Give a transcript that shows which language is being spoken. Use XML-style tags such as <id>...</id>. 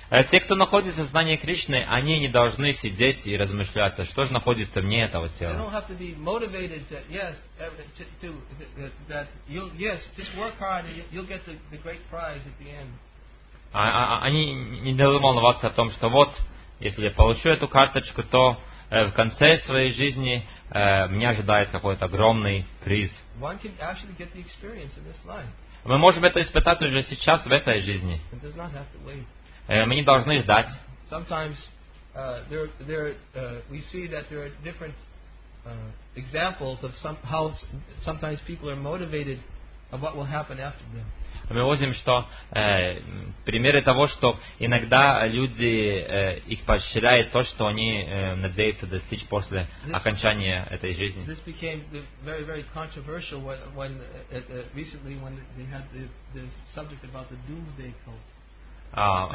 <ru>Те, кто находится в сознании Кришны, они не должны сидеть и размышлять, что же находится вне этого тела.</ru> <en>They don't have to be motivated that just work hard and you'll get the great prize at the end.</en> <ru>Они не должны волноваться о том, что вот, если я получу эту карточку, то в конце своей жизни меня ожидает какой-то огромный приз.</ru> <en>One can actually get the experience in this life.</en> <ru>Мы можем это испытать уже сейчас в этой жизни.</ru> <en>It does not have to wait.</en> <ru>Мы не должны ждать.</ru> <en>Sometimes we see that there are different examples of how sometimes people are motivated of what will happen after them.</en> <ru>мы увидим, что примеры того, что иногда люди их поощряют то, что они надеются достичь после окончания этой жизни.</ru> <en>This became very, very controversial when recently when they had the subject about the doomsday cult.</en>